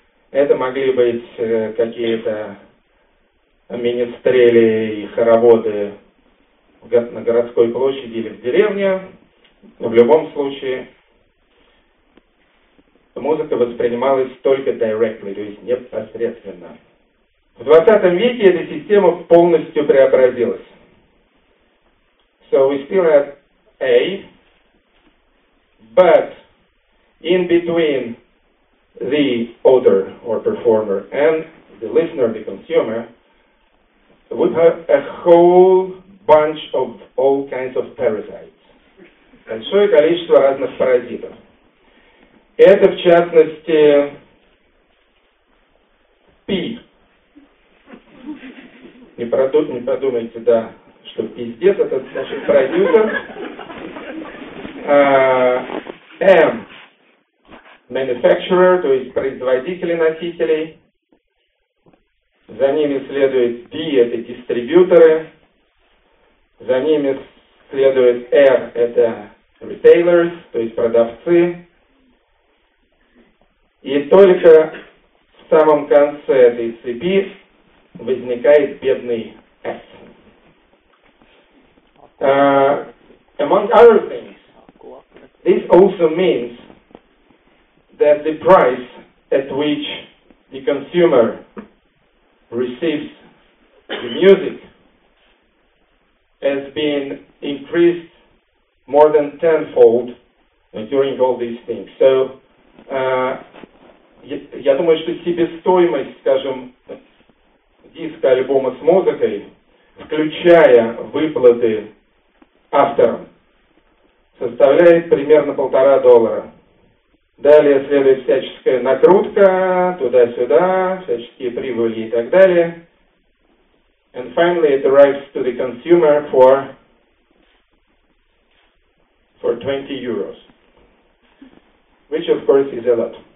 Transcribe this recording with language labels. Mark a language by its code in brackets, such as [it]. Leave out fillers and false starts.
[ru] Это могли быть какие-то менестрели и хороводы на городской площади или в деревне. В любом случае, музыка воспринималась только directly, то есть непосредственно. В 20 веке эта система полностью преобразилась. [en] So we still have A, but in between the author or performer and the listener, the consumer, we have a whole bunch of all kinds of parasites. [ru] Большое количество разных паразитов. Это, в частности, пи. Не подумайте, да, что пиздец, это наш продюсер. М. Manufacturer, то есть производители носителей. За ними следует D, это дистрибьюторы. За ними следует R, это retailers, то есть продавцы. И только в самом конце этой цепи возникает бедный S. [en] Among other things, this also means that the price at which the consumer receives the music has been increased more than tenfold during all these things. [ru] So, я думаю, что себестоимость, скажем, диска альбома с музыкой, включая выплаты авторам, составляет примерно $1.5. Далее следует всяческая накрутка, туда-сюда, всяческие прибыли и так далее. [en] And finally, it arrives to the consumer for 20 euros, which of course is a lot.